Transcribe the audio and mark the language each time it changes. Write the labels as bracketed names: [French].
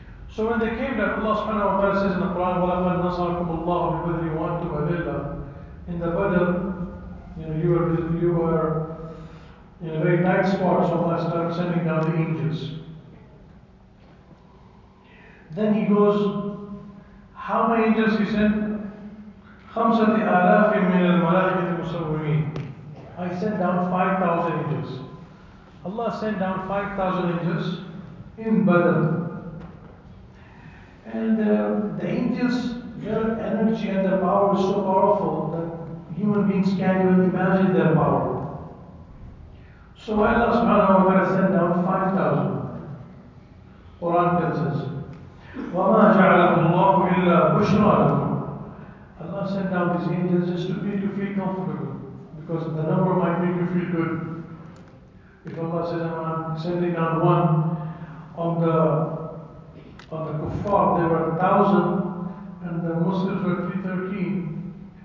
[English] So when they came, that Allah subhanahu wa ta'ala says in the Quran, [Arabic] وَلَقَدْ نَصَرَكُمُ اللَّهُ بِبَدْرٍ وَأَنْتُمْ أَذِلَّةٌ. [English] In the Badr, you know, you were in a very tight spot, so Allah started sending down the angels. Then he goes, how many angels he sent? [Arabic] خَمْسَةِ آلَافٍ مِنَ الْمَلَائِكَةِ الْمُسَوِّمِينَ. [English] I sent down 5,000 angels. Allah sent down 5,000 angels in Badr. And the angels, their energy and their power is so powerful that human beings can't even imagine their power. So Allah subhanahu wa ta'ala sent down 5,000. Quran tells us, [Arabic] وَمَا جَعَلَكُمْ اللَّهُ إِلَّا بُشْرَى لَكُمْ. [English] Allah sent down these angels just to make you feel comfortable, because the number might make you feel good. If Allah says, I'm sending down one on the kuffar, there were 1,000 and the Muslims were 313.